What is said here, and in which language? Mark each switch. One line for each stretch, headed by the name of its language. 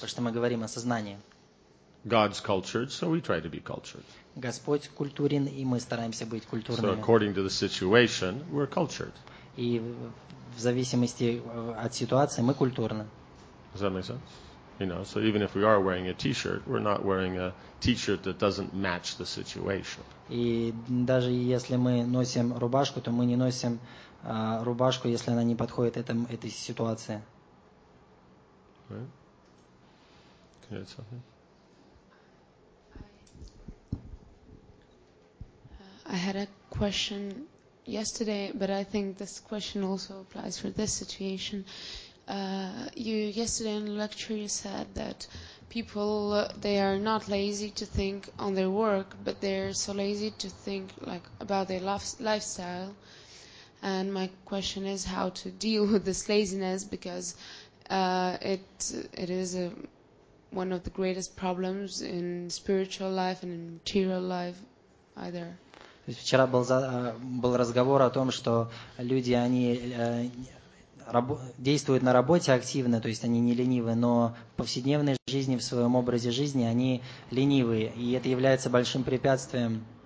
Russian: Потому что мы говорим о сознании.
English: God's cultured, so we try to be cultured.
Russian: Господь культурен, и мы стараемся быть культурными.
English: So according to the situation, we're cultured.
Russian: И в зависимости от ситуации мы культурны.
English: Does that make sense? You know, so even if we are wearing a t-shirt, we're not wearing a t-shirt that doesn't match the situation.
Russian: И даже если мы носим рубашку, то мы не носим рубашку, если она не подходит этой ситуации.
English: Right? Can you add something? I had a question yesterday, but I think this question also applies for this situation. You yesterday in the lecture you said that people, they are not lazy to think on their work, but they're so lazy to think like about their lifestyle. And my question is how to deal with this laziness, because it is one of the greatest problems in spiritual life and in material life either.
Russian: Вчера был, был разговор о том, что люди, они действуют на работе активно, то есть они не ленивы, но в повседневной жизни, в своем образе жизни они ленивы, и это является большим препятствием.